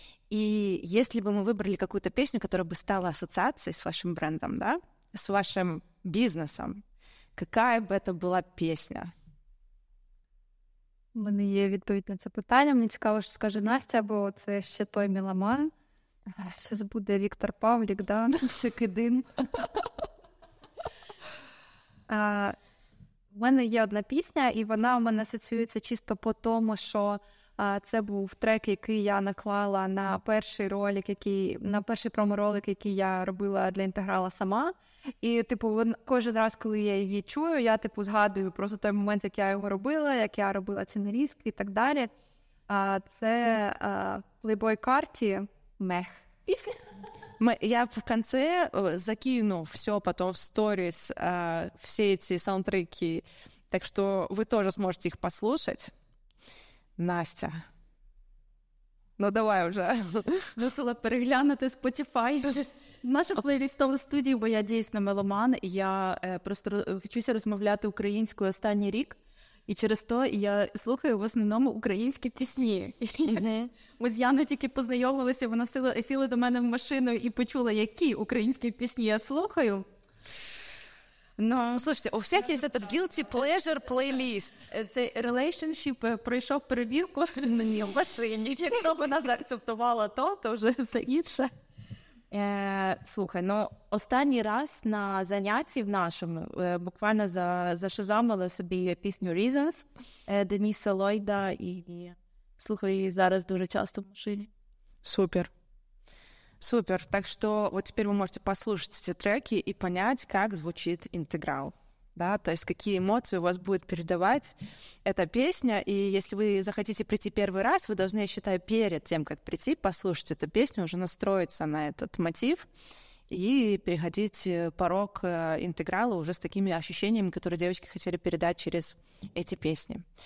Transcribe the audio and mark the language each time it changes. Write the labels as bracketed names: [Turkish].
[Russian] И если бы мы выбрали какую-то песню, которая бы стала ассоциацией с вашим брендом, да, с вашим бизнесом, какая бы это была песня? У меня есть ответ на это питання. Мне цікаво, что скажет Настя, [Ukrainian] бо це ще той меломан. [Russian] Сейчас будет Виктор Павлик, да? [Ukrainian] Ще кидим. У мене є одна пісня, і вона у мене асоціюється чисто по тому, що це був трек, який я наклала на перший ролик, на перший промо-ролик, який я робила для інтеграла сама. І, типу, кожен раз, коли я її чую, я, типу, згадую просто той момент, як я його робила, як я робила ці нарізки і так далі. Це Playboy Carti «Мех». [Russian] Я в конце закину все потом в сторис, все эти саундтреки, так что вы тоже сможете их послушать. Настя, ну давай уже. [Ukrainian] Мусила переглянути Spotify з нашого плейлістового студії, бо я дійсно меломан. Я просто вчуся розмовляти українською останній рік. І через то я слухаю в основному українські пісні. Ми з Яною тільки познайомилися, вона сіла до мене в машину і почула, які українські пісні я слухаю. Но... Слушайте, у всіх є цей [English] guilty pleasure playlist. [Ukrainian] Цей relationship пройшов перевірку в машині. Якщо вона заакцептувала то, то вже все інше. Слухай, ну останній раз на занятті в нашому, буквально зашазамила собі пісню «Reasons» Деніса Ллойда, і слухаю її зараз дуже часто в машині. Супер. Супер. Так що от тепер ви можете послухати ці треки і зрозуміти, як звучить інтеграл. [Russian] Да, то есть какие эмоции у вас будет передавать эта песня. И если вы захотите прийти первый раз, вы должны, я считаю, перед тем, как прийти, послушать эту песню, уже настроиться на этот мотив и переходить порог интеграла уже с такими ощущениями, которые девочки хотели передать через эти песни.